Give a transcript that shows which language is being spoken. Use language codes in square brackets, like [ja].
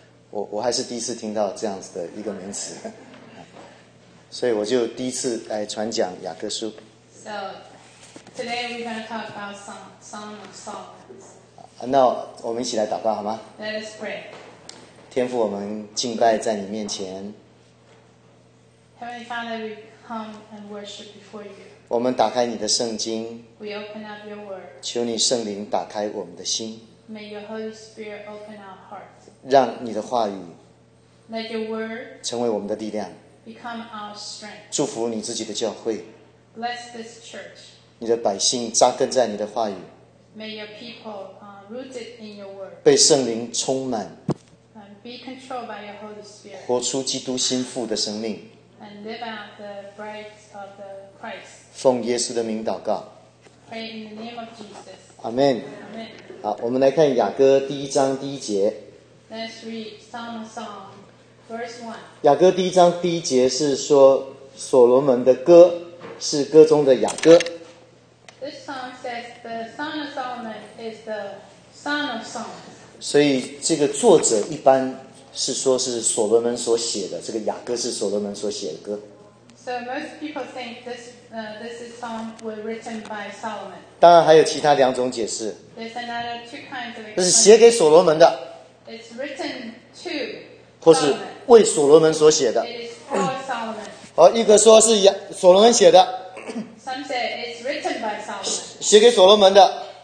[zh] 我还是第一次听到这样子的一个名词，所以我就第一次来传讲雅歌书。 [en] So today we're going to talk about song. [zh] 那我们一起来祷告好吗 [en] ？Let us pray. [zh] 天父，我们敬拜在你面前。 [en] Heavenly Father, we come and worship before you. [zh] 我们打开你的圣经。 [en] We open up your word. [zh] 求你圣灵打开我们的心。 [en] May your Holy Spirit open our heart. [zh] 让你的话语 [en] Let your word [zh] 成为我们的力量 [en] become our strength. [zh] 祝福你自己的教会 [en] Bless this church. [zh] 你的百姓扎根在你的话语 [en] May your people, rooted in your word. [zh] 被圣灵充满 [en] be controlled by your Holy Spirit. [zh] 活出基督心腹的生命 [en] and live out the bride of the Christ. [zh] 奉耶稣的名祷告 [en] Pray in the name of Jesus. Amen. Amen. [zh] 好，我们来看雅歌第一章第一节 [en] Let's read Song of Song, verse 1. [zh] 雅歌第一章第一节是说所罗门的歌是歌中的雅歌。 [en] This song says the Song of Solomon is the Song of Song. [zh] 所以这个作者一般是说是所罗门所写的，这个雅歌是所罗门所写的歌。 [en] So most people think this is song was written by Solomon. [zh] 当然还有其他两种解释。 [en] There's another two kinds of. [zh] 这是写给所罗门的。 [en] It's written to [zh] 或是为所罗门所写的。 [en] It is for Solomon. [zh] 好，一个说是所罗门写的。 [en] Some say it's written by Solomon. [zh] 写给所罗门的。